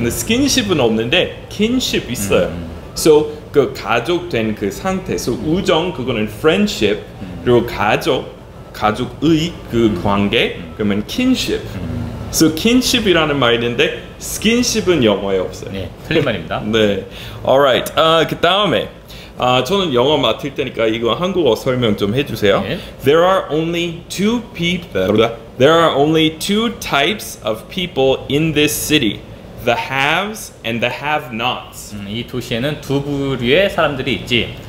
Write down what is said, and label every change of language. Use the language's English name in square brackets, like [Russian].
[Korean] 근데 skinship은 없는데 kinship 있어요. So 그 가족 된 그 상태, so 우정 그거는 friendship 그리고 가족, 가족의 그 관계 그러면 kinship. So kinship이라는 말인데 skinship은 영어에 없어요. 네, 틀린 말입니다. 네, [English] alright. [Korean] 그 다음에 저는 영어 맡을 테니까 이거 한국어 설명 좀 해주세요. [English] 네. There are only two people. There are only two types of people in this city: the haves and the have-nots. [Korean] 이 도시에는 두 부류의 사람들이 있지.